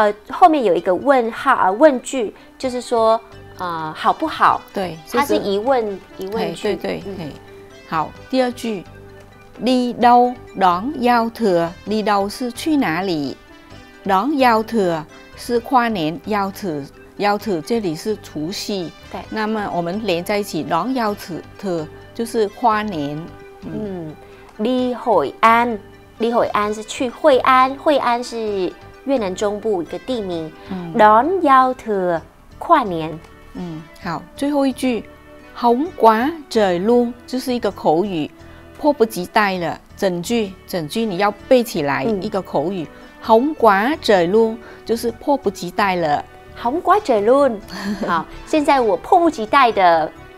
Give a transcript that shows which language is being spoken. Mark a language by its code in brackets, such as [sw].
[zh] 后面有一个问号啊，问句，就是说好不好？对，就是、它是疑问句。对、好，第二句 ， [vi] đi đâu đón giao thừa？ đi đâu [zh] 是去哪里 ？ [vi] đón giao thừa [zh] 是跨年， [vi] giao thừa giao thừa [zh] 这里是除夕。对，那么我们连在一起 ， [vi] đón giao thừa。 [zh] 就是跨年。 [vi] đi Hội An， [zh] đi Hội An 是去惠安，惠安是越南中部一个地名。 [vi] đón giao thừa 跨年。 [zh] 好，最后一句 [vi] hóng quá trời luôn [zh] 就是一个口语，迫不及待了。整句你要背起来，一个口语 [vi] hóng quá trời luôn [zh] 就是迫不及待了。 [vi] hóng quá trời luôn， [zh] 好，现在我迫不及待的。